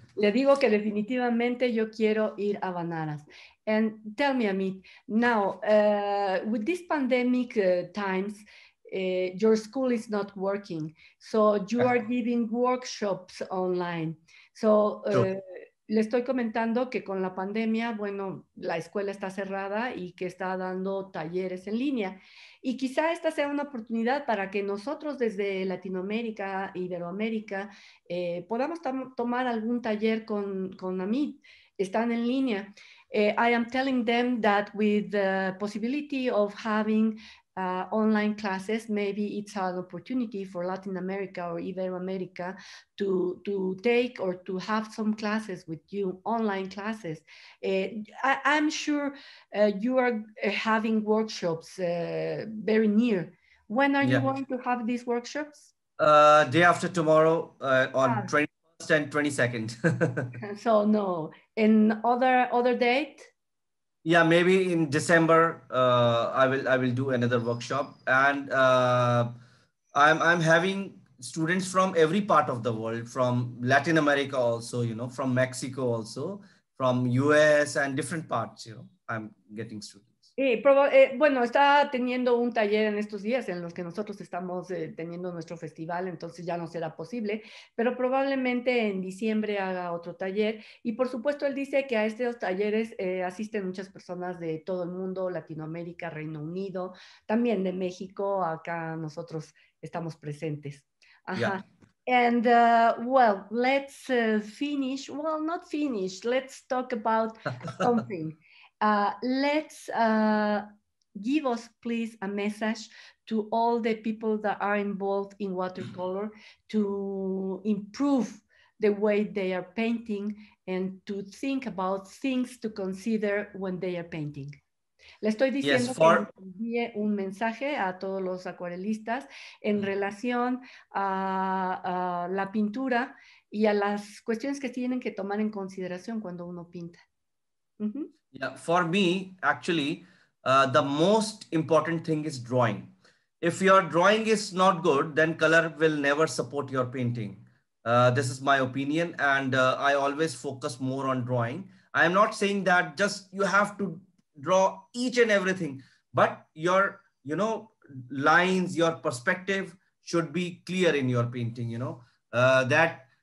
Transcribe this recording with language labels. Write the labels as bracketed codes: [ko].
[es] Le digo que definitivamente yo quiero ir a Banaras. [en] And tell me, Amit, now, with this pandemic times, your school is not working. So you are giving workshops online. [es] So le estoy comentando que con la pandemia, bueno, la escuela está cerrada y que está dando talleres en línea. Y quizá esta sea una oportunidad para que nosotros desde Latinoamérica, Iberoamérica, podamos tomar algún taller con Amit. Están en línea. [en] I am telling them that with the possibility of having online classes, maybe it's an opportunity for Latin America or Iberoamerica to take or to have some classes with you, online classes. I'm sure you are having workshops very near. When are you going to have these workshops? Day after tomorrow on 21st and 22nd. So no. In other date? Yeah, maybe in December I will do another workshop. And I'm having students from every part of the world, from Latin America also, you know, from Mexico also, from US and different parts, you know, I'm getting students. [es] Y bueno, está teniendo un taller en estos días en los que nosotros estamos teniendo nuestro festival, entonces ya no será posible, pero probablemente en diciembre haga otro taller. Y por supuesto, él dice que a estos talleres asisten muchas personas de todo el mundo, Latinoamérica, Reino Unido, también de México, acá nosotros estamos presentes. [en] Ajá. Yeah. And well, let's finish, well, not finish, let's talk about something. let's give us, please, a message to all the people that are involved in watercolor to improve the way they are painting and to think about things to consider when they are painting. [es] Le estoy diciendo que envíe un mensaje a todos los acuarelistas en relación a la pintura y a las cuestiones que tienen que tomar en consideración cuando uno pinta. Mm-hmm. [en] Yeah, for me, actually, the most important thing is drawing. If your drawing is not good, then color will never support your painting. This is my opinion, and I always focus more on drawing. I am not saying that just you have to draw each and everything, but your, you know, lines, your perspective should be clear in your painting, you know, that